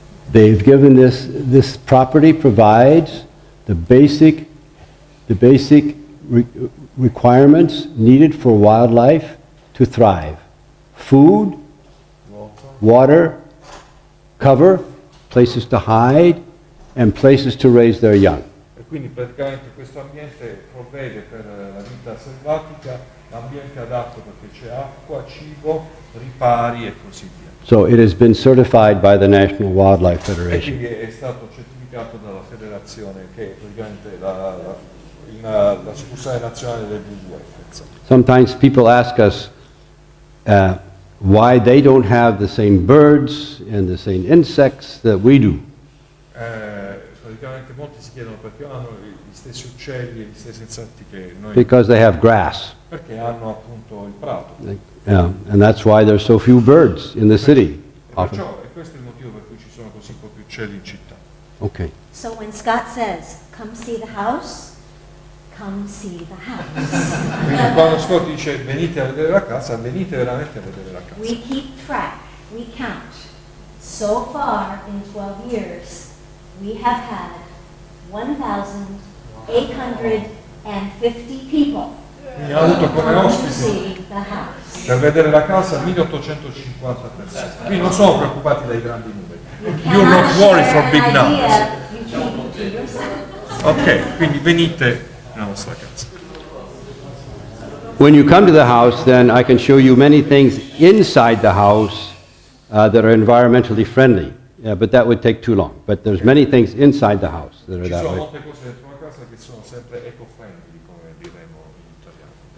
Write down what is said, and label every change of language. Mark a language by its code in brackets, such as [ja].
[en] They've given this property provides the basic requirements needed for wildlife to thrive. Food, water, cover, places to hide, and places to raise their young. [it] E quindi praticamente questo ambiente provvede per la vita selvatica, l'ambiente adatto perché c'è acqua, cibo, ripari e così via. [en] So it has been certified by the National Wildlife Federation. [it] È stato certificato dalla federazione che è praticamente la succursale nazionale del WWF. [en] Sometimes people ask us why they don't have the same birds and the same insects that we do. [it] Praticamente molti si chiedono perché hanno gli stessi uccelli e gli stessi insetti che noi. [en] Because they have grass. [it] Perché hanno appunto il prato. [en] Yeah, and that's why there's so few birds in the city. [it] Perciò, e questo è il motivo per cui ci sono così pochi uccelli in città. [en] Okay. So when Scott says, come see the house, come see the house. [it] Quindi quando Scott dice venite a vedere la casa, venite veramente a vedere la casa. [en] We keep track, we count. So far in 12 years, we have had 1,850 people. [it] Mi ha avuto come ospite per vedere la casa 1850 persone. Qui non sono preoccupati dai grandi numeri. [en] You're not worried for big numbers. [it] Ok, quindi venite nella nostra casa. [en] When you come to the house, then I can show you many things inside the house that are environmentally friendly. Yeah, but that would take too long. But there's many things inside the house that are that way. [it] Ci sono molte cose dentro la casa che sono sempre eco-friendly, come diremo in italiano.